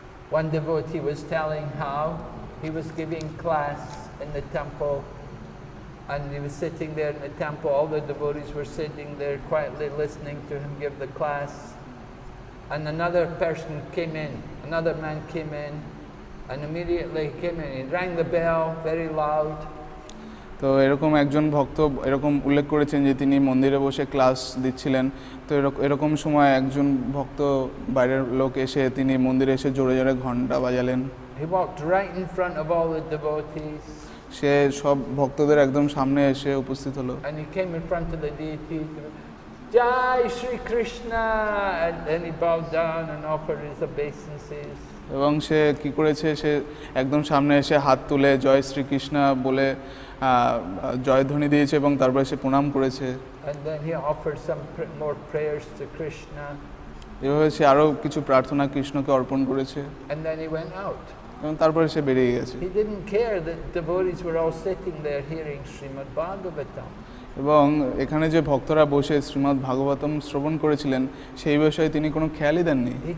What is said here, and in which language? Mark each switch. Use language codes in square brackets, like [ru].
[en] One devotee was telling how he was giving class in the temple, and he was sitting there in the temple, all the devotees were sitting there quietly listening to him give the class, and another man came in and immediately came in and rang the bell very loud. [bn] তো এরকম একজন ভক্ত এরকম উল্লেখ করেছেন যে তিনি মন্দিরে বসে ক্লাস দিচ্ছিলেন, তো এরকম সময় একজন ভক্ত বাইরের লোক এসে তিনি মন্দিরে এসে জোরে জোরে ঘন্টা বাজালেন। [en] He walked right in front of all the devotees. [bn] সে সব ভক্তদের একদম সামনে এসে উপস্থিত হলো। [en] And he came in front of the deities. Jai Shri Krishna, and then he bowed down and offered his obeisances. [bn] এবং সে কি করেছে, সে একদম সামনে এসে হাত তুলে জয় শ্রী কৃষ্ণ বলে জয় ধ্বনি দিয়েছে এবং তারপরে সে প্রণাম করেছে। [en] And then he offered some more prayers to Krishna. [bn] এভাবে সে আরো কিছু প্রার্থনা কৃষ্ণকে অর্পণ করেছে। [en] And then he went out. [bn] এবং তারপরে সে বেরিয়ে গেছে। [en] He didn't care that devotees were all sitting there hearing Srimad Bhagavatam. [bn] এবং এখানে যে ভক্তরা বসে শ্রীমদ্ ভাগবতম শ্রবণ করেছিলেন সেই বিষয়ে তিনি কোনো খেয়ালই দেননি।